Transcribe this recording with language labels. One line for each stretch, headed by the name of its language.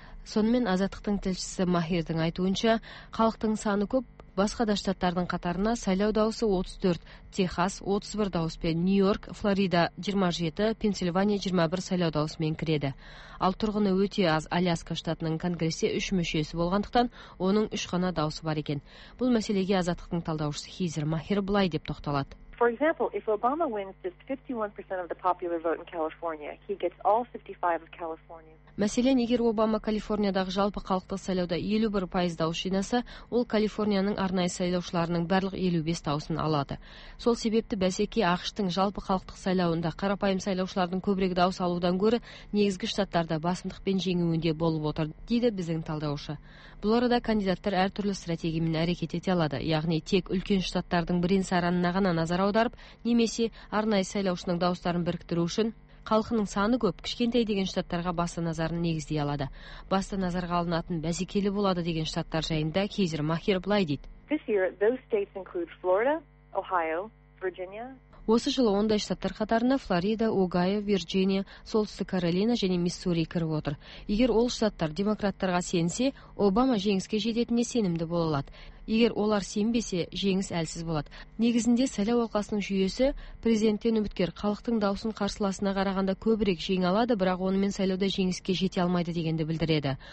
Kazakh: Сонымен Азаттықтың тілшісі Махердің айтуынша, халықтың саны көп, басқа да штаттардың қатарына сайлау дауысы 34, Техас 31 дауыс пен Нью-Йорк, Флорида 27, Пенсильвания 21 сайлау дауысымен кіреді. Ал тұрғыны өте аз Аляска штатының конгресте 3 мүшесі болғандықтан оның 3 ғана дауысы бар екен. Бұл мәселеге Азаттықтың талдаушысы Хизер Махер былай деп тоқталады.
English: For example, if Obama wins just 51% of the popular vote in California, he gets all 55 of California.
Kazakh: Мәселен, егер Обама Калифорниядағы жалпы халықтық сайлауда 51% дауыс жинаса, ол Калифорнияның арнайы сайлаушыларының барлық 55 дауысын алады. Сол себепті бәсеке АҚШ-тың жалпы халықтық сайлауында қарапайым сайлаушылардың көбірек дауыс алудан гөрі негізгі штаттарда басымдықпен жеңуінде болып отыр, дейді біздің талдаушы. Бұл арада кандидаттар әртүрлі стратегиямен әрекет ете алады, яғни тек үлкен штаттардың бірен-саранына ғана назар аударып, немесе арнайы сайлаушының дауыстарын біріктіру үшін халқының саны көп, кішкентай деген штаттарға басты назарын негіздей алады. Басты назарға алынатын бәсекелі болады деген штаттар жайында Кейзер Махер былай дейді.
English: This year, those states include Florida, Ohio, Virginia.
Kazakh: Осы жылы ондай штаттар қатарына Флорида, Огайо, Вирджиния, Солтүстік Каролина және Миссури кіріп отыр. Егер ол штаттар демократтарға сенсе, Обама жеңіске жететініне сенімді бола алады. егер олар сенбесе, жеңіс әлсіз болады. Негізінде сайлау алқасының жүйесі президенттен үміткер халықтың даусын қарсыласына қарағанда көбірек жеңе алады, бірақ онымен сайлауда жеңіске жете алмайды дегенді білдіреді.